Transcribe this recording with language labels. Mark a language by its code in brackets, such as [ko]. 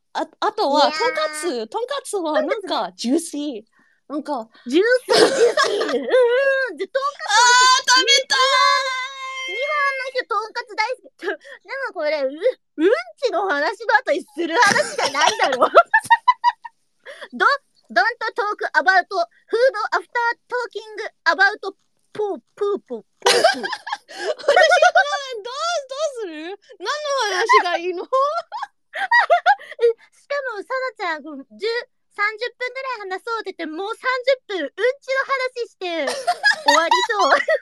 [ja] あとは、とんかつ、とんかつはなんかジューシー。なんかジュースジューシー、うん、とんかつ、ああ食べたい、日本の人とんかつ大好き。でもこれうんちの話の後にする話じゃないだろう。 [en] Don't talk about food after talking about poop [ja] 私これどうする、何の話がいいの。しかもさなちゃん30分ぐらい話そうって言って、もう30分うんちの話して終わりそう。